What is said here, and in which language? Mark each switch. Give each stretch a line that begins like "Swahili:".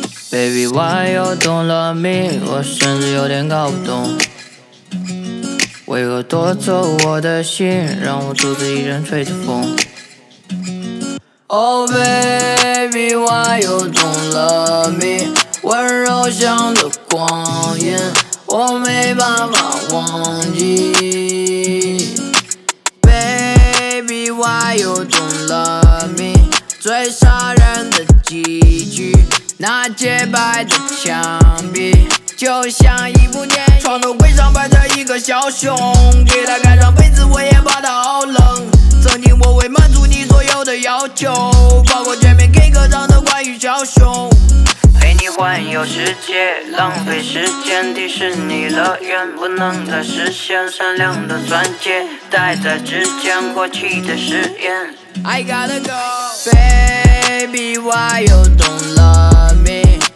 English: Baby, why you don't love me?
Chinese: 我甚至有点搞不懂，为何夺走我的心，让我独自一人吹着风。
English: Oh baby, why you don't love me?
Chinese: 温柔乡的光阴，我没办法忘记。
English: Baby, why you don't love me?
Chinese: 最杀人的几句，那洁白的墙壁就像一部电影。床头柜上摆着一个小熊，给他盖上被子我也怕他好冷。曾经我为满足你所有的要求，包括全面 K 歌唱的关于小熊。陪你环游世界，浪费时间，迪士尼乐园不能再实现。善良的钻戒戴在指尖，过期的誓言。
English: I gotta go. Baby, why you don't love me?